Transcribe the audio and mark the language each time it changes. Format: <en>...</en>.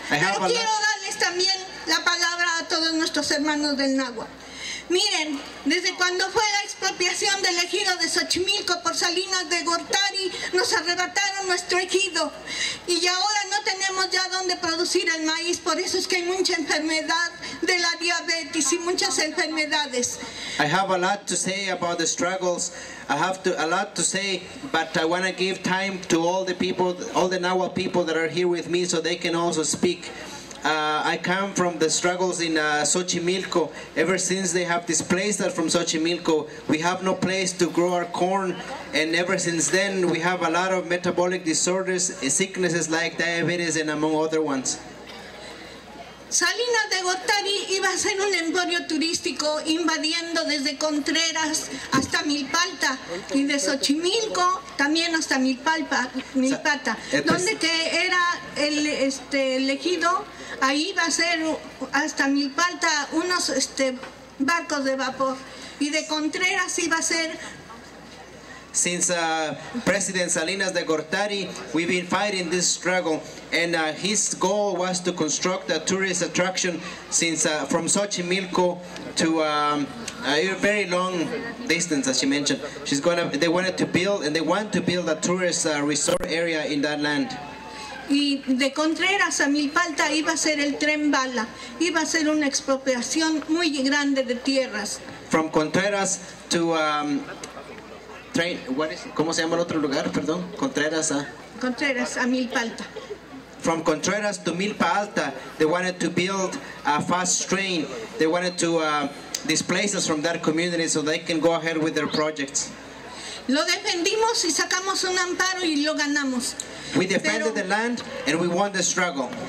<es>Pero quiero darles también la palabra a todos nuestros hermanos del Nahua. Miren, desde cuando fue la expedición expropiación del ejido de Xochimilco por Salinas de Gortari nos arrebataron nuestro ejido. Y ahora no tenemos ya dónde producir el maíz, por eso es que hay mucha enfermedad de la diabetes y muchas enfermedades.</es> <en>I have a lot to say about the struggles. I have to, a lot to say, but I want to give time to all the people, all the Nahua people that are here with me so they can also speak. I come from the struggles in Xochimilco. Ever since they have displaced us from Xochimilco, we have no place to grow our corn. And ever since then, we have a lot of metabolic disorders, sicknesses like diabetes and among other ones.</en> <es>Salinas de Gortari iba a ser un emporio turístico invadiendo desde Contreras hasta Milpalta y de Xochimilco también hasta Milpalpa, Milpata, donde que era el ejido, ahí iba a ser hasta Milpalta unos barcos de vapor y de Contreras iba a ser.</es> <en>Since President Salinas de Gortari, we've been fighting this struggle, and his goal was to construct a tourist attraction since from Xochimilco to a very long distance, as she mentioned. They want to build a tourist resort area in that land.</en> <es>Y de Contreras a Milpalta iba a ser el tren bala, iba a ser una expropiación muy grande de tierras.</es> <en>From Contreras to train, what is,</en> <es>¿cómo se llama el otro lugar? Perdón, Contreras a Milpalta.</es> <en>From Contreras to Milpa Alta, they wanted to build a fast train. They wanted to displace us from that community so they can go ahead with their projects.</en> <es>Lo defendimos y sacamos un amparo y lo ganamos.</es> <en>We defended the land and we won the struggle.</en>